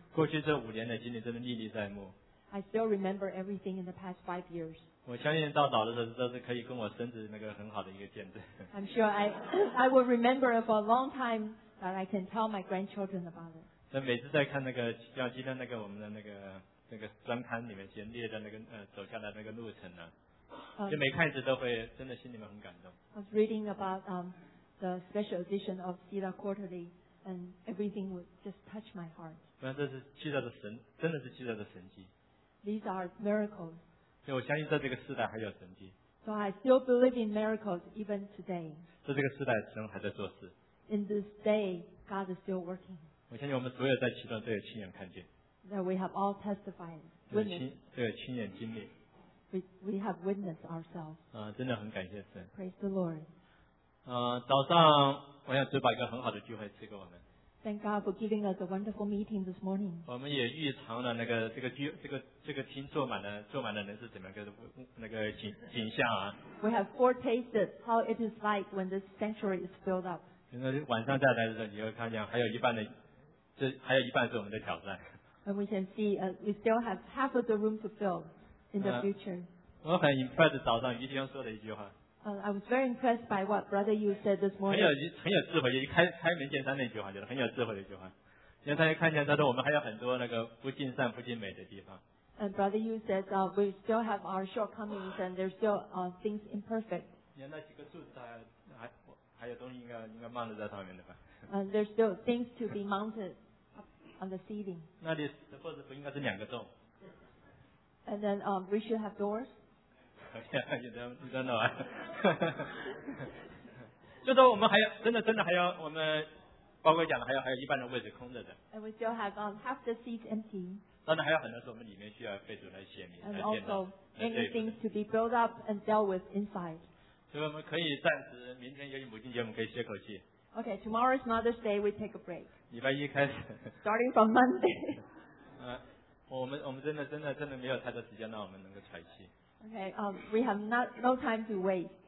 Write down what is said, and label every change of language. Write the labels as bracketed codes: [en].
[zh] 过去这五年的经历真的历历在目。 [en] I still remember everything in the past 5 years. [zh] 我相信到老的时候，这是可以跟我孙子那个很好的一个见证。 [en] I'm sure I will remember it for a long time that I can tell my grandchildren about it. [zh] 所以每次在看那个，像今天那个我们的那个专刊里面先列的那个走下来那个路程呢，就每看一次都会真的心里面很感动。 [en] I was reading about the special edition of Cedar Quarterly, and everything would just touch my heart. [zh] 那这是记载的神，真的是记载的神迹。 [en] These are miracles. [zh] 所以我相信在这个时代还有神迹。 [en] So I still believe in miracles even today. [zh] 在这个时代，神还在做事。 [en] In this day, God is still working. [zh] 我相信我们所有在其中都有亲眼看见。 [en] That we have all testified, witnessed. [zh] 都有亲眼经历。 [en] we have witnessed ourselves. [zh] 真的很感谢神。 [en] Praise the Lord. [zh] 早上我想主把一个很好的机会赐给我们。 [en] Thank God for giving us a wonderful meeting this morning. [zh] 我们也预尝了那个这个厅坐满了人是怎么个那个景象啊。 [en] We have foretasted how it is like when this sanctuary is filled up. [zh] 晚上再来的时候，你会看见还有一半的，这还有一半是我们的挑战。 [en] And we can see, we still have half of the room to fill in the future. [zh] 我很 impressed 早上于弟兄说的一句话。 [en] I was very impressed by what Brother Yu said this morning. [zh] 很有智慧，一开门见山那句话，觉得很有智慧的一句话。因为他看见，他说我们还有很多那个不尽善、不尽美的地方。 [en] And Brother Yu says, we still have our shortcomings and there's still things imperfect. [zh] 连那几个柱子还有东西应该放在上面的吧。 [en] There's still things to be mounted on the ceiling. [zh] 那里的柱子不应该是两个洞。 [en] And then we should have doors. You don't know. [zh] 就说我们还要真的还要我们包括讲的还有一半的位置空着的。 [en] And we still have half the seats empty. [zh] 当然还有很多是我们里面需要被主来显明。 [en] And also many things to be built up and dealt with inside. [zh] 所以我们可以暂时明天由于母亲节我们可以歇口气。 [en] Okay, tomorrow's Mother's Day, we take a break. [zh] 礼拜一开始。 [en] Starting from Monday. [zh] 我们真的没有太多时间让我们能够喘气。 [en] Okay, we have no time to wait.